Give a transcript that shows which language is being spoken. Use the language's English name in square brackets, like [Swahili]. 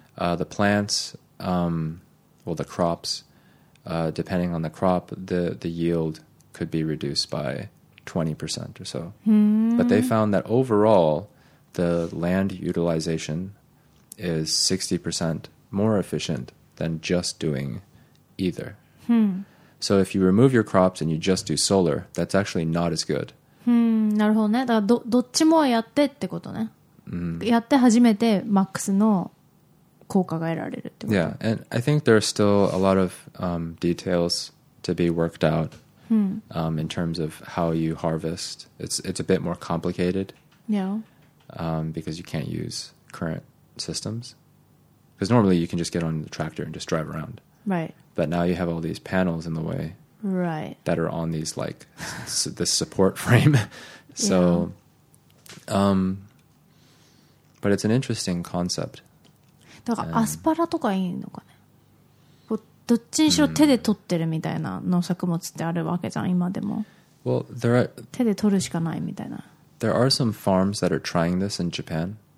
[English] The plants, well, the crops, depending on the crop, the yield could be reduced by 20% or so. Hmm. But they found that overall, the land utilization is 60% more efficient than just doing either. Hmm. So if you remove your crops and you just do solar, that's actually not as good. [Japanese] Hmm. なるほどね。だからどっちもやってってことね。 Mm. やって初めてマックスの効果が得られるってこと? [English] Yeah, and I think there are still a lot of details to be worked out in terms of how you harvest. It's a bit more complicated. Yeah. Because you can't use current systems. Because normally you can just get on the tractor and just drive around. Right. But now you have all these panels in the way. Right. That are on these, like, this support frame. So, yeah. But it's an interesting concept. [Japanese] だからアスパラとかいいのかね。どっちにしろ手で取ってるみたいな農作物ってあるわけじゃん、今でも。 [English] Well, there are [Japanese] 手で取るしかないみたいな。 [English] There are some farms that are trying this in Japan.